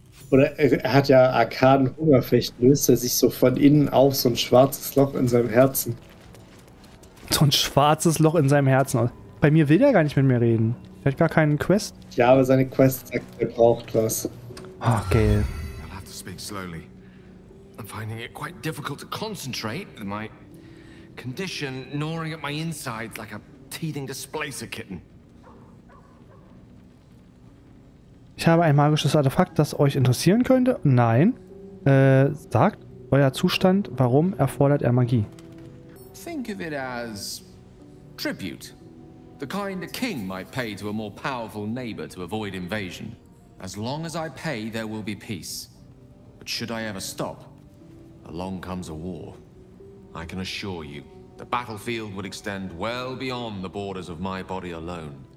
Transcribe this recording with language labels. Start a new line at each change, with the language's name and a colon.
German: Oder er hat ja Arkadenhunger, vielleicht löst er sich so von innen auf so ein schwarzes Loch in seinem Herzen. So ein schwarzes Loch in seinem Herzen. Bei mir will er gar nicht mit mir reden. Er hat gar keinen Quest. Ja, aber seine Quest sagt, er braucht was. Ach, Gail.
English: I'll have to speak slowly. I'm finding it quite difficult to concentrate. My condition gnawing at my insides like a teething displacer kitten.
German: Ich habe ein magisches Artefakt, das euch interessieren könnte. Nein. Sagt euer Zustand, warum erfordert er Magie?
English: Think of it as tribute. The kind a king might pay to a more powerful neighbor to avoid invasion. As long as I pay, there will be peace. But should I ever stop, along comes a war. I can assure you, the battlefield would extend well beyond the borders of my body alone.